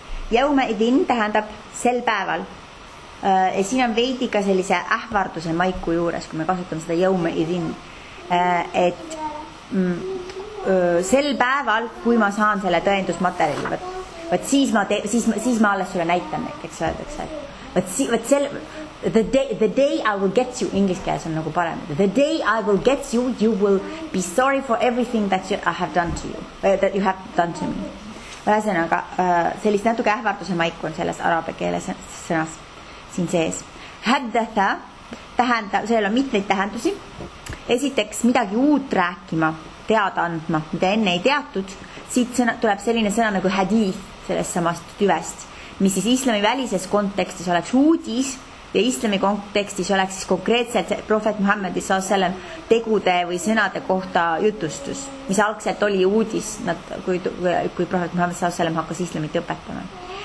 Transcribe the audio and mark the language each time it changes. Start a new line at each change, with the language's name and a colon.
Estonian: Jõume idin tähendab sel päeval. Ja siin on veidi ka sellise ähvarduse maiku juures, kui me kasutame seda jõume idin. Et sel päeval, kui ma saan selle tõendusmaterjali, siis ma alles sulle näitan, eks öeldakse. vot see vot sel
English: the day I will get you
Estonian: English keeles on nagu parem
English: the day I will get you you will be sorry for everything that you, I have done to you that you have done to me.
Estonian: Ühesõnaga sellist natuke ähvarduse maiku on selles araabia keeles sõnas siin sees. Haddatha tähendab, seal on mitmeid tähendusi. Esiteks midagi uut rääkima, teada andma, mida enne ei teatud. Siit sõna, tuleb selline sõna nagu hadith sellest samast tüvest, mis siis islami välises kontekstis oleks uudis ja islami kontekstis oleks siis konkreetselt profet Muhammedi saas selle tegude või sõnade kohta jutustus, mis algselt oli uudis, kui profet Muhammed saas selle hakkas islamit õpetama.